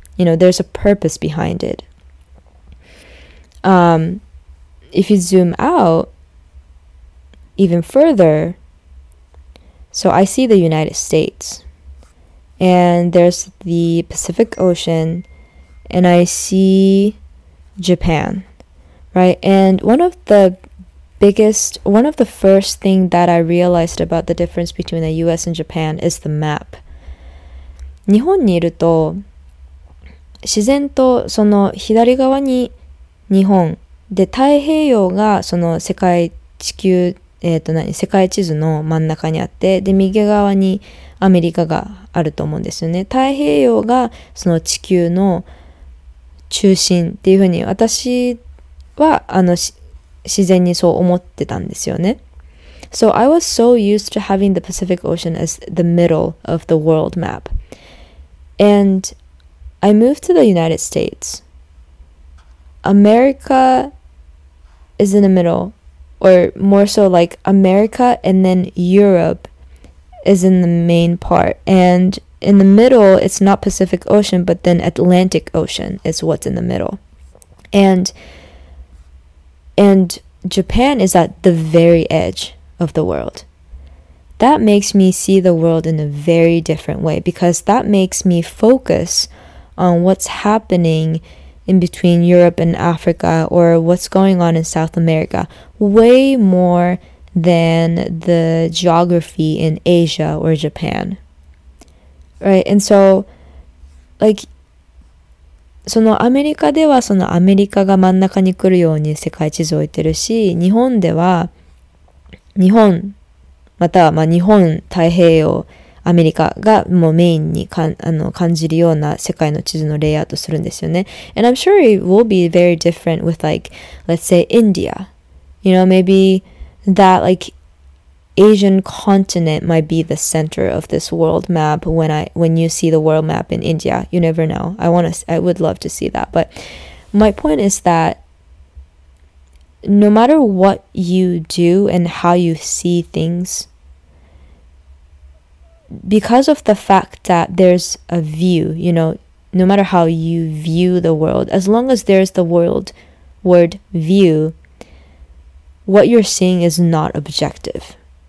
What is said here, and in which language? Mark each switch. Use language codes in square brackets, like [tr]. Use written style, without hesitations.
[en] You know, there's a purpose behind it. If you zoom out even further, so I see the United States, and there's the Pacific Ocean, and I see Japan, right? And one of the first thing that I realized about the difference between the US and Japan is the map. [ja] 日本にいると、自然とその左側に日本で太平洋がその世界地球、世界地図の真ん中にあってで右側にアメリカがあると思うんですよね。太平洋がその地球の中心っていうふうに私は自然にそう思ってたんですよね。 [en] So I was so used to having the Pacific Ocean as the middle of the world map. And I moved to the United States. America is in the middle, or more so like America and then Europe is in the main part. And in the middle, it's not Pacific Ocean, but then Atlantic Ocean is what's in the middle. And Japan is at the very edge of the world. That makes me see the world in a very different way because that makes me focus on what's happening in between Europe and Africa or what's going on in South America way more than the geography in Asia or Japan. Right? [ja] And so, like, そのアメリカではそのアメリカが真ん中に来るように世界地図を置いてるし、日本では日本、またはまあ日本、太平洋、アメリカがもうメインに感じるような世界の地図のレイアウトするんですよね。 [en] And I'm sure it will be very different with like, let's say India. You know, maybe that like Asian continent might be the center of this world map when you see the world map in India. You never know. I would love to see that. But my point is that no matter what you do and how you see things,Because of the fact that there's a view, you know, no matter how you view the world, as long as there's the word view, what you're seeing is not objective.